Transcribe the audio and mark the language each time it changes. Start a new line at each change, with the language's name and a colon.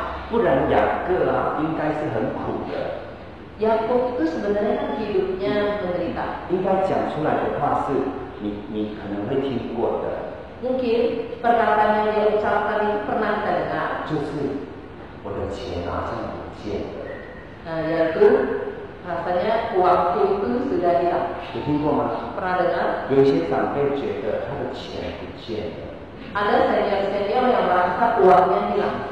Chinese: 不然雅各啊，应该是很苦的。
Indonesian: Yakub itu sebenarnya hidupnya menderita.
Chinese: 应该讲出来的话是你可能会听过的。
Indonesian: Mungkin perkataan yang dia ucapkan itu pernah kita dengar.
Chinese: 就是我的钱好像不见了。
Indonesian: Nah, yaitu rasanya waktu itu sudah hilang.
Chinese: 有听过吗？
Indonesian: Pernah dengar?
Chinese: 有一些长辈觉得他的钱不见了。
Indonesian: Ada senior-senior yang merasa uangnya hilang.